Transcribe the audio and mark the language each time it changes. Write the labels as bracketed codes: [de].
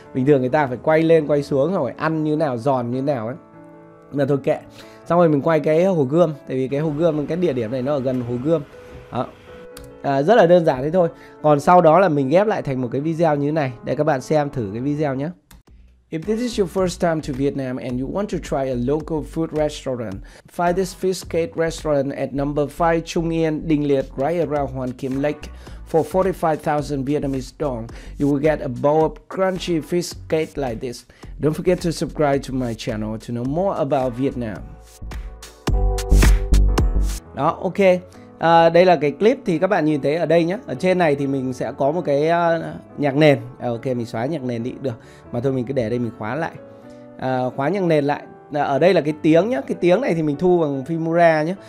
[vi] Bình thường người ta phải quay lên quay xuống rồi ăn như nào, giòn như nào ấy. Mà thôi kệ. Xong rồi mình quay cái Hồ Gươm. Tại vì cái Hồ Gươm, cái địa điểm này nó ở gần Hồ Gươm. Đó. Rất là đơn giản thế thôi. Còn sau đó là mình ghép lại thành một cái video như thế này. Để các bạn xem thử cái video nhé. [en] If this is your first time to Vietnam and you want to try a local food restaurant, find this fish cake restaurant at number 5 Trung Yên, Đình Liệt, right around Hoàn Kim Lake. For 45,000 Vietnamese dong, you will get a bowl of crunchy fish cake like this. Don't forget to subscribe to my channel to know more about Vietnam. [vi] Đó, ok. Đây là cái clip thì các bạn nhìn thấy ở đây nhé. Ở trên này thì mình sẽ có một cái nhạc nền. Ok, mình xóa nhạc nền đi được. Mà thôi mình cứ để đây mình khóa lại. Khóa nhạc nền lại. Ở đây là cái tiếng nhé. Cái tiếng này thì mình thu bằng Filmora nhé.